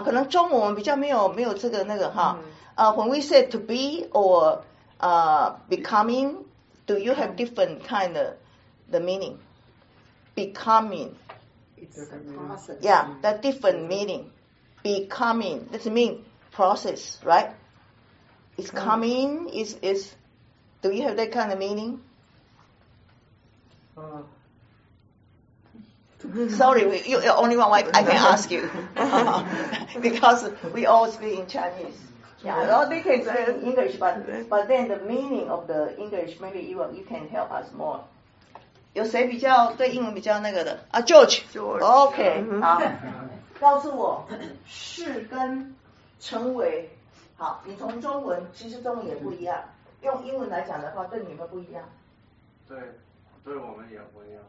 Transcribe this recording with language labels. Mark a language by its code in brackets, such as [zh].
[zh] 可能中文我们比较没有这个那个哈。 [en] When we say to be or becoming, do you have different kind of the meaning? Becoming. It's a yeah, that different meaning. Becoming, that means process, right? It's coming, is, do you have that kind of meaning? Sorry, you're the only one I can ask you. Because we all speak in Chinese. Yeah, well, they can say English, but then the meaning of the English, maybe you can help us more. [zh] 有谁比较对英文比较那个的？啊 ，George. OK, 好，告诉我，是跟成为，好，你从中文，其实中文也不一样，用英文来讲的话，对你们不一样。对，对我们也不一样。